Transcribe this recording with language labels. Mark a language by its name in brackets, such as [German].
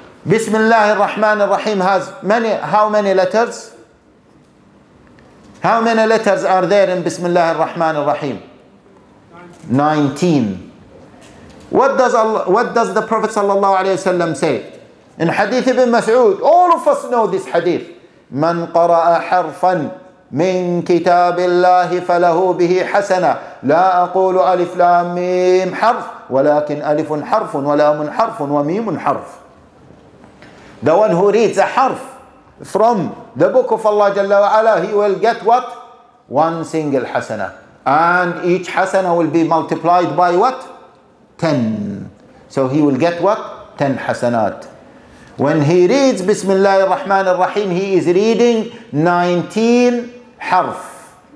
[English] Bismillahir Rahmanir Rahim has many, how many letters? How many letters are there in Bismillahir Rahmanir Rahim? 19. What does the Prophet sallallahu alaihi wasallam say? In Hadith Ibn Mas'ud, all of us know this hadith. [Arabic] من قرأ حرفا من كتاب الله فله به حسنة لا أقول ألف لام ميم حرف ولكن ألف حرف ولام حرف وميم حرف. [English] The one who reads a harf from the book of Allah Jalla wa Ala, he will get what? One single hasana. And each hasana will be multiplied by what? 10. So he will get what? 10 hasanat. When he reads Bismillah ar-Rahman ar-Rahim, he is reading 19 harf.